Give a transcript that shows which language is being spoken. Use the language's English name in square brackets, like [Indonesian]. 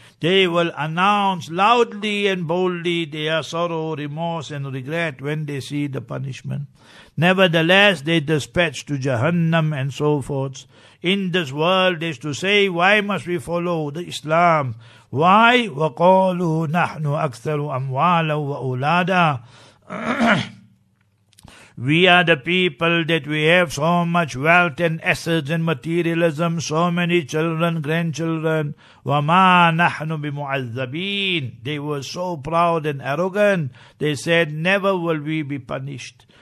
[English] They will announce loudly and boldly their sorrow, remorse and regret when they see the punishment. Nevertheless, they dispatch to Jahannam and so forth. In this world is to say, why must we follow the Islam? Why? [Arabic] وَقَالُوا نَحْنُ أَكْثَرُ أَمْوَالًا وَأُولَادًا. [English] We are the people that we have so much wealth and assets and materialism, so many children, grandchildren. [Arabic] وَمَا نَحْنُ بِمُعَذَّبِينَ. [English] They were so proud and arrogant, they said, never will we be punished.